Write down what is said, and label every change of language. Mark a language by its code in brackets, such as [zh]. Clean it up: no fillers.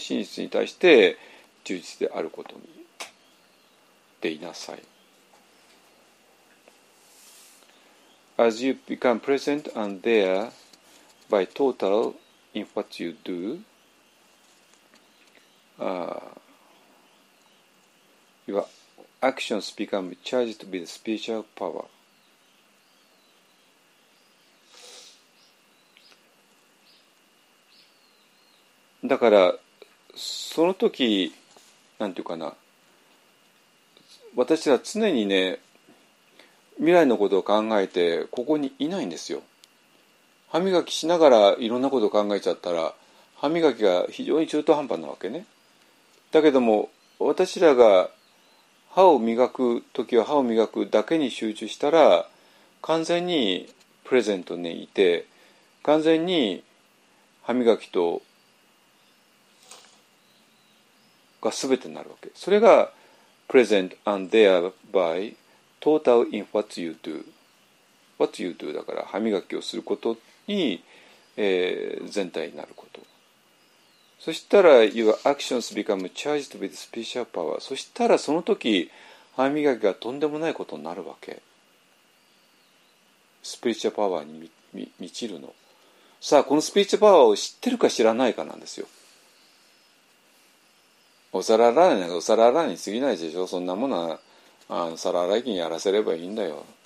[ja] 真実に対して忠実であることでいなさい。 [en] As you become present and there by total in what you do, your actions become charged with spiritual power. [ja] だからその時なんていうかな、私たちは常にね未来のことを考えてここにいないんですよ。歯磨きしながらいろんなことを考えちゃったら歯磨きが非常に中途半端なわけね。だけども私らが歯を磨く時は歯を磨くだけに集中したら完全にプレゼントにいて、完全に歯磨きとが全てになるわけ。それが [en] present and thereby total in what you do。 what you do [ja] だから歯磨きをすることに、全体になること。そしたら [en] your actions become charged with special power。 [ja] そしたらその時歯磨きがとんでもないことになるわけ。スピリチュアルパワーに満ちるの。さあこのスピリチュアルパワーを知ってるか知らないかなんですよ。お皿洗いなんかお皿洗いに過ぎないでしょ。そんなものはあの皿洗い機にやらせればいいんだよ。